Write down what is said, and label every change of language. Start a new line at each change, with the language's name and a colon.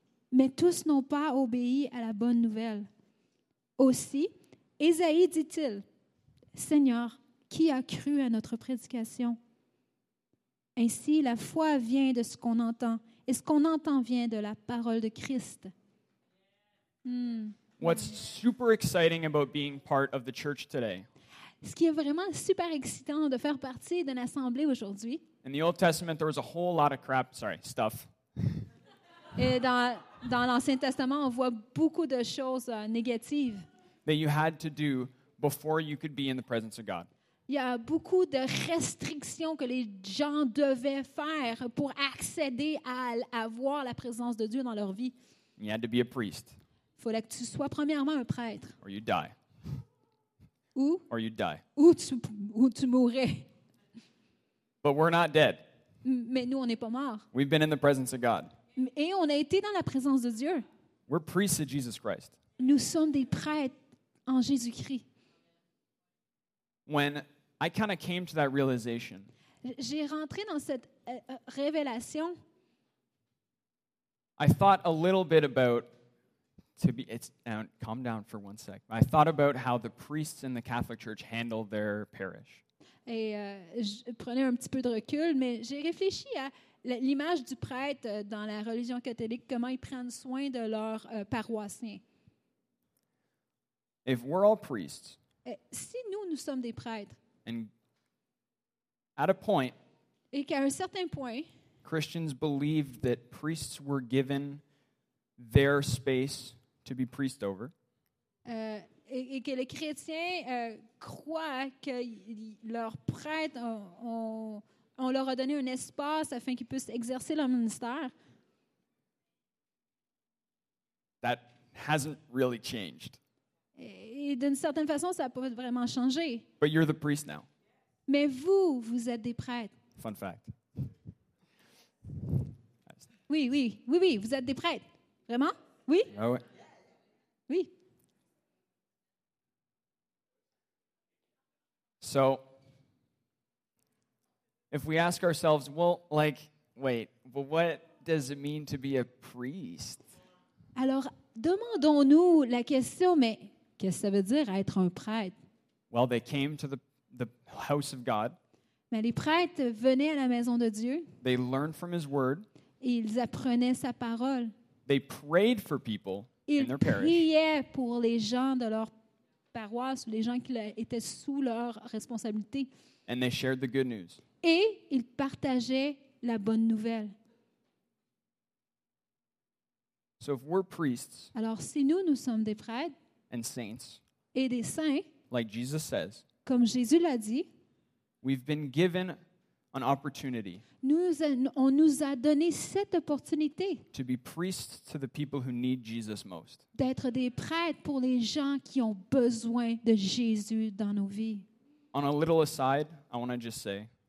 French: Mais tous n'ont pas obéi à la bonne nouvelle. Aussi, Isaïe dit-il, « Seigneur, qui a cru à notre prédication? » Ainsi, la foi vient de ce qu'on entend, Et ce qu'on entend vient de la parole de Christ.
English: What's super exciting about being part of the church today?
French: Ce qui est vraiment super excitant de faire partie d'une assemblée aujourd'hui.
English: In the Old Testament, there was a whole lot of crap. Sorry, stuff.
French: Et dans l'Ancien Testament, on voit beaucoup de choses négatives.
English: That you had to do before you could be in the presence of God.
French: Il y a beaucoup de restrictions que les gens devaient faire pour accéder à voir la présence de Dieu dans leur vie.
English: You had to be a priest.
French: Il fallait que tu sois premièrement un prêtre.
English: Or you'd die. Or you'd die.
French: Ou tu mourrais.
English: But we're not dead.
French: Mais nous, on n'est pas morts.
English: We've been in the presence of God.
French: Et on a été dans la présence de Dieu.
English: We're priests of Jesus Christ.
French: Nous sommes des prêtres en Jésus-Christ.
English: When I kind of came to that realization,
French: j'ai rentré dans cette révélation.
English: I thought a little bit about to be. It's calm down for one sec. I thought about how the priests in the Catholic Church handle their parish.
French: Et je prenais un petit peu de recul, mais j'ai réfléchi à l'image du prêtre dans la religion catholique, comment ils prennent soin de leurs paroissiens.
English: If we're all priests.
French: Si nous sommes des prêtres,
English: and at a point,
French: et qu'à un certain point,
English: Christians believed that priests were given their space to be priests over.
French: Et que les chrétiens croient que leurs prêtres on leur a donné un espace afin qu'ils puissent exercer leur ministère.
English: That hasn't really changed.
French: Et d'une certaine façon, ça n'a pas vraiment changé.
English: But you're the priest now.
French: Mais vous êtes des prêtres.
English: Fun fact.
French: Oui, vous êtes des prêtres. Vraiment? Oui? Oh, ouais. Oui.
English: So, if we ask ourselves, well, like, wait, but what does it mean to be a priest?
French: Alors, demandons-nous la question, mais... Qu'est-ce que ça veut dire être un prêtre?
English: Well, they came to the house of God.
French: Mais les prêtres venaient à la maison de Dieu.
English: They learned from his word.
French: Et ils apprenaient sa parole.
English: They prayed for people
French: ils
English: in their
French: priaient
English: parish.
French: Priaient pour les gens de leur paroisse, les gens qui étaient sous leur responsabilité.
English: And they shared the good news.
French: Et ils partageaient la bonne nouvelle.
English: So if we're priests,
French: alors si nous sommes des prêtres,
English: and saints,
French: et des saints,
English: like Jesus says,
French: comme Jésus l'a dit,
English: we've been given an opportunity.
French: On nous a donné cette opportunité
English: to be priests to the people who need Jesus most.
French: D'être des prêtres pour les gens qui ont besoin de Jésus dans nos vies.
English: On a little aside, I want to just say,